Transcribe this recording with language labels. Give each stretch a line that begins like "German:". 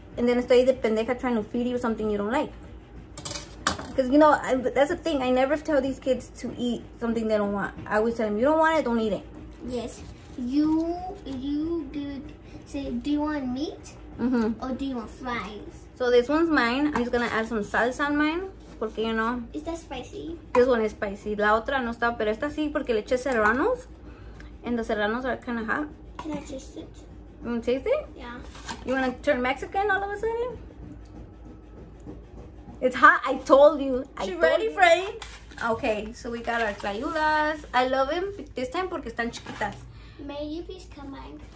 English: And then
Spanish: estoy de pendeja
English: trying to feed you something you don't like. Because, you know, that's the thing. I never tell these kids to eat something they don't want. I always tell them, you don't want it, don't eat it. Yes. You do say, do you want meat? Mm-hmm. Or do you want fries? So this one's mine. I'm just going to add some salsa on mine. Porque, you know. Is that spicy? This one is spicy.
Spanish: La otra no está, pero esta sí porque le eché serranos.
English: And the serranos are kind of hot. Can I taste it? You want to taste it? Yeah. You want to turn Mexican all of a sudden? It's hot, I told you. She ready, Freddy? Okay, so we got our tlayudas. I love them this time
Spanish: porque están chiquitas.
English: May you please cut mine?